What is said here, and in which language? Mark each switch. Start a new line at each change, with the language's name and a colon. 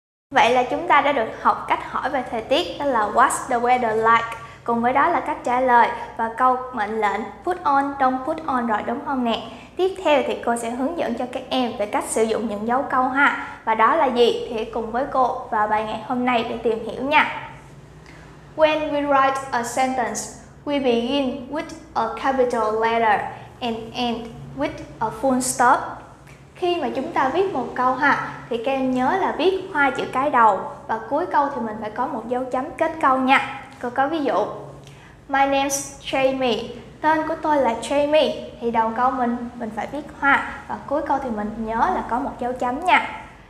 Vietnamese: Vậy là chúng ta đã được học cách hỏi về thời tiết, đó là
English: what's the weather like,
Vietnamese: cùng với đó là cách trả lời và câu mệnh lệnh
English: put on, don't put on
Vietnamese: rồi đúng không nè. Tiếp theo thì cô sẽ hướng dẫn cho các em về cách sử dụng những dấu câu ha. Và đó là gì thì hãy cùng với cô vào bài ngày hôm nay để tìm hiểu nha.
English: When we write a sentence, we begin with a capital letter and end with a full stop.
Vietnamese: Khi mà chúng ta viết một câu ha, thì các em nhớ là viết hoa chữ cái đầu và cuối câu thì mình phải có một dấu chấm kết câu nha. Cô có ví dụ,
English: my name's Jamie,
Vietnamese: tên của tôi là Jamie, thì đầu câu mình phải viết hoa và cuối câu thì mình nhớ là có một dấu chấm nha.